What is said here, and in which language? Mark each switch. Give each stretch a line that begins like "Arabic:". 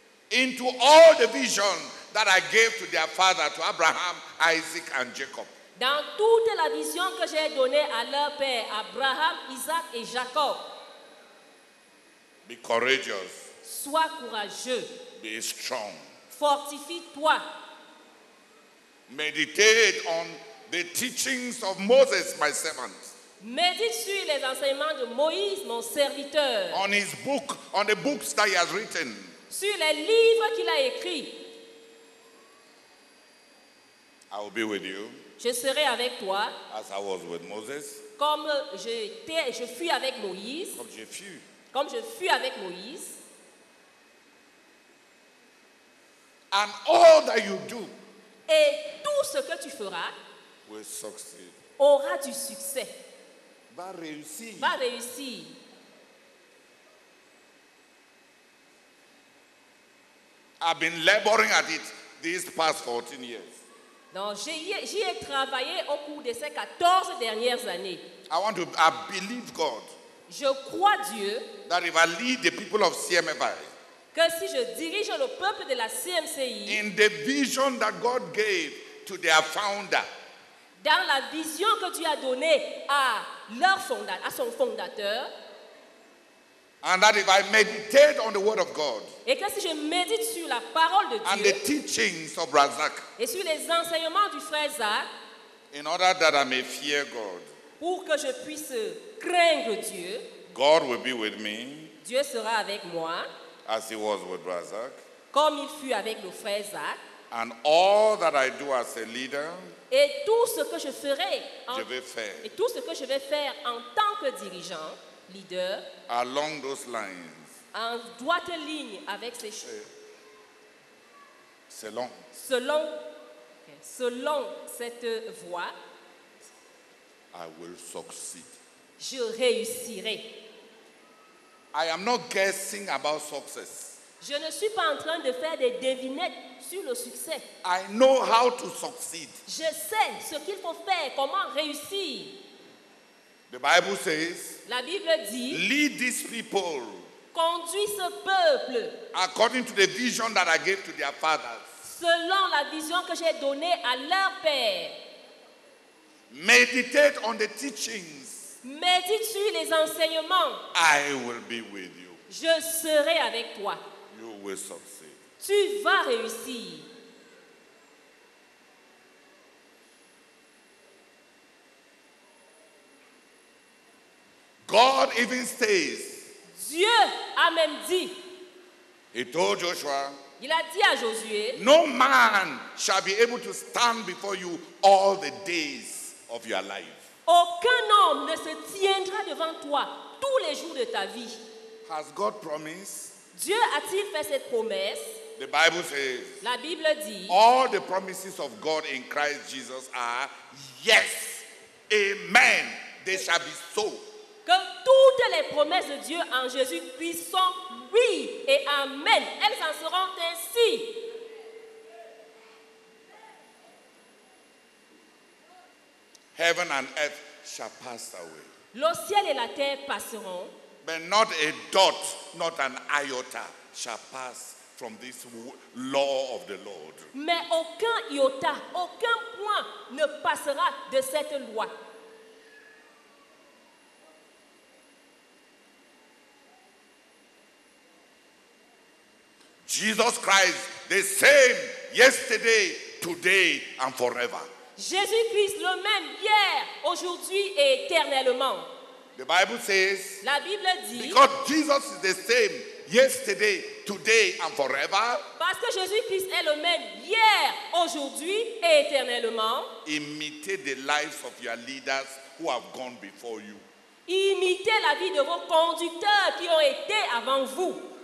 English: Into all the vision that I gave to their father, to Abraham, Isaac, and Jacob.
French: Dans toute la vision que j'ai donnée à leur père, Abraham, Isaac et Jacob.
English: Be courageous.
French: Sois courageux.
English: Be strong.
French: Fortifie-toi.
English: Meditate on the teachings of Moses, my servant.
French: Médite sur les enseignements de Moïse, mon serviteur.
English: On his book, on the books that he has written.
French: Sur les livres qu'il a écrits.
English: I will be with you.
French: Je serai avec toi.
English: As I was with Moses.
French: Comme je fus avec Moïse. Comme je fus. Comme je fus avec Moïse.
English: And all that you do.
French: Et tout ce que tu feras.
English: Will succeed.
French: Aura du succès. Va réussir. Va réussir.
English: I've been laboring at it these past 14 years.
French: Donc j'y ai travaillé au cours de ces 14 dernières années.
English: I believe God.
French: Je crois Dieu.
English: That if I lead the people of CMFI.
French: Que si je dirige le peuple de la CMCI.
English: In the vision that God gave to their founder.
French: Dans la vision que tu as donnée à leur fondateur, à son fondateur.
English: And that if I meditate on the word of God.
French: Et que si je médite sur la parole de Dieu.
English: And the teachings of Razak.
French: Et sur les enseignements du frère Zach.
English: In order that I may fear God.
French: Pour que je puisse craindre Dieu.
English: God will be with me.
French: Dieu sera avec moi.
English: As he was with Razak.
French: Comme il fut avec le frère Zach.
English: And all that I do as a leader.
French: Et tout ce que je ferai en, je vais faire. Et tout ce que je vais faire en tant que dirigeant, leader,
English: along those lines,
French: en droite ligne avec ces choses, selon cette voie,
English: I will succeed.
French: Je réussirai.
English: I am not guessing about success.
French: Je ne suis pas en train de faire des devinettes sur le succès.
English: I know how to succeed.
French: Je sais ce qu'il faut faire, comment réussir.
English: The Bible says,
French: la Bible dit,
English: lead these people.
French: Conduis ce peuple.
English: According to the vision that I gave to their fathers.
French: Selon la vision que j'ai donnée à leur père.
English: Meditate on the teachings.
French: Médite sur les enseignements.
English: I will be with you.
French: Je serai avec toi.
English: Will succeed.
French: Tu vas réussir.
English: God even says.
French: Dieu a même dit.
English: He told Joshua.
French: Il a dit à Josué.
English: No man shall be able to stand before you all the days of your life.
French: Aucun homme ne se tiendra devant toi tous les jours de ta vie.
English: Has God promised?
French: Dieu a-t-il fait cette promesse?
English: The Bible says,
French: la Bible dit,
English: all the promises of God in Christ Jesus are yes, amen, they shall be so.
French: Que toutes les promesses de Dieu en Jésus-Christ sont oui et amen, elles en seront ainsi.
English: Heaven and earth shall pass away.
French: Le ciel et la terre passeront.
English: But not a dot, not an iota, shall pass from this law of the Lord.
French: Mais aucun iota, aucun point ne passera de cette loi.
English: Jesus Christ, the same yesterday, today, and forever.
French: Jésus-Christ le même hier, aujourd'hui et éternellement.
English: The Bible says,
French: la Bible dit,
English: because Jesus is the same yesterday, today, and forever.
French: Parce que Jésus-Christ est le même hier, aujourd'hui et éternellement.
English: Imitate the lives of your leaders who have gone before you.
French: Imitez la vie de vos conducteurs qui ont été avant vous.